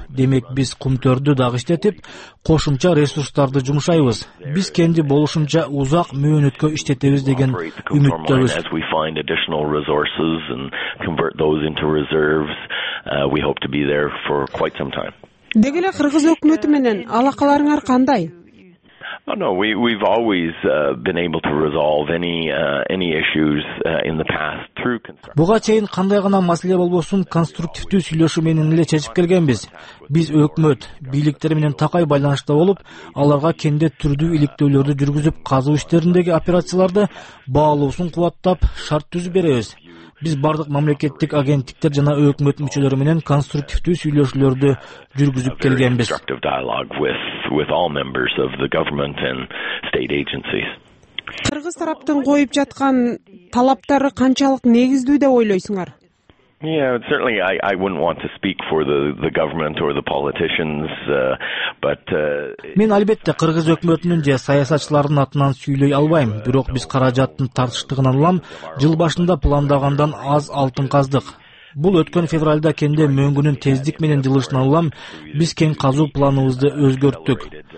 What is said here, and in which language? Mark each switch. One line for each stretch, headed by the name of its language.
Kyrgyz: Демек биз кумтөрдү дагы иштетип, кошумча ресурстарды жумшайбыз. Биз кенди болушунча узак мөөнөткө иштетебиз деген үмүттөбүз. Деги эле кыргыз өкмөтү менен алакаларыңар кандай?
English: We've always been able to resolve any issues in the past through concern.
Kyrgyz: Буга чейин кандай гана маселе болбосун, конструктивдүү сүйлөшүү менен эле чечип келгенбиз. Биз өкмөт, бийликтер менен такай байланышта болуп, аларга кенде түрдүү иликтөөлөрдү жүргүзүп, казуу иштериндеги операцияларды баалоосун кубаттап, шарт түзүп беребиз. Биз бардык мамлекеттик агенттиктер жана өкмөт мүчөлөрү менен конструктивдүү сүйлөшүүлөрдү жүргүзүп келгенбиз.
English: With all members of the government and state agencies.
Kyrgyz: Кыргыз тараптын коюп жаткан талаптары канчалык негиздүү деп ойлойсуңар?
English: Yeah, certainly I wouldn't want to speak for the government or the politicians, but
Kyrgyz: мен албетте кыргыз өкмөтүнүн же саясатчылардын атынан сүйлөй албайм, бирок биз каражаттын тартыштыгынан улам жыл башында пландагандан аз алтын каздык. Бул өткөн февралда кенде мөңгүнүн тездик менен жылышынан улам биз кен казуу планыбызды өзгөрттүк.